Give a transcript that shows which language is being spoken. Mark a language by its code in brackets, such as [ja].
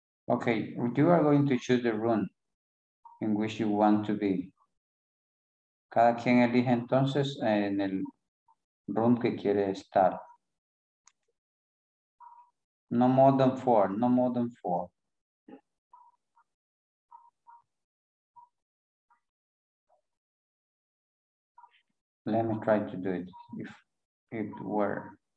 [en] Okay, you are going to choose the room in which you want to be. [es] Cada quien elige entonces en el room que quiere estar. [en] No more than four, no more than four. Let me try to do it if it were.